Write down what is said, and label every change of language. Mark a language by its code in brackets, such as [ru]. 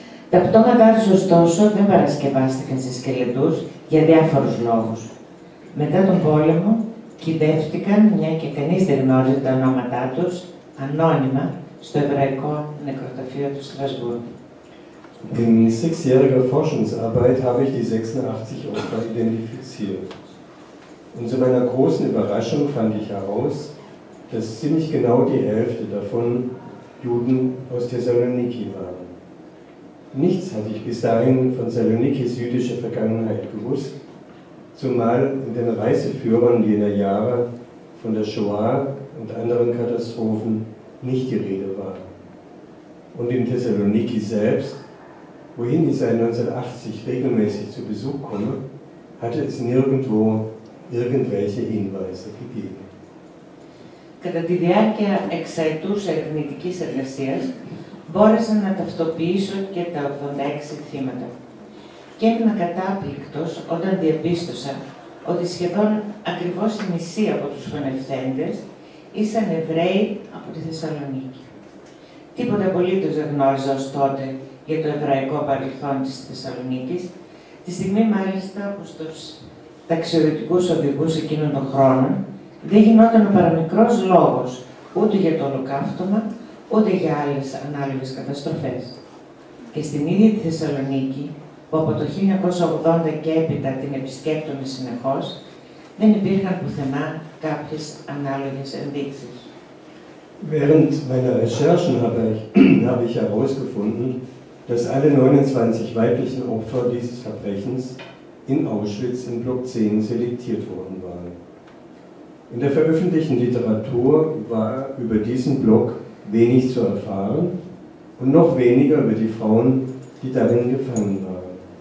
[el] Τα πτώματά τους, ωστόσο, δεν παρασκευάστηκαν σε σκελετούς, για διάφορους λόγους. Μετά τον πόλεμο, κυδεύτηκαν, μια και κανείς δεν γνώριζε τα ονόματά τους, ανώνυμα, στο εβραϊκό νεκροταφείο του Στρασβούργου. [de] In sechsjähriger Forschungsarbeit habe ich die 86 Opfer identifiziert. Und zu meiner großen Überraschung fand ich heraus, dass ziemlich genau die Hälfte davon Juden aus Thessaloniki waren. Nichts hatte ich bis dahin von Salonikis jüdischer Vergangenheit gewusst, zumal in den Reiseführern jener Jahre von der Shoah und anderen Katastrophen nicht die Rede war. Und in Thessaloniki selbst, wohin ich seit 1980 regelmäßig zu Besuch komme, hatte es nirgendwo irgendwelche Hinweise gegeben. [el] Κατά τη διάρκεια εξετούς ερευνητικής εργασίας, μπόρεσα να ταυτοποιήσω και τα 86 θύματα. Και έμεινα κατάπληκτος όταν διαπίστωσα ότι σχεδόν ακριβώς η μισή από τους φωνευθέντες ήσαν Εβραίοι από τη Θεσσαλονίκη. Τίποτα απολύτως δεν γνώριζα ως τότε για το εβραϊκό παρελθόν της Θεσσαλονίκης, τη στιγμή μάλιστα που στους ταξιδιωτικούς οδηγούς εκείνων των χρόνων δεν γινόταν ο παραμικρός λόγος ούτε για το ολοκαύτωμα, ούτε για άλλες ανάλογες καταστροφές. Και στην ίδια τη Θεσσαλονίκη, που από το 1980 και έπειτα την επισκέπτομαι συνεχώς, δεν υπήρχαν πουθενά κάποιες ανάλογες ενδείξεις. [de] Während meiner Recherchen habe ich herausgefunden, dass alle 29 weiblichen Opfer dieses Verbrechens in Auschwitz in Block 10 selektiert worden waren. In der veröffentlichten Literatur war über diesen Block wenig zu erfahren und noch weniger über die Frauen, die darin gefangen waren.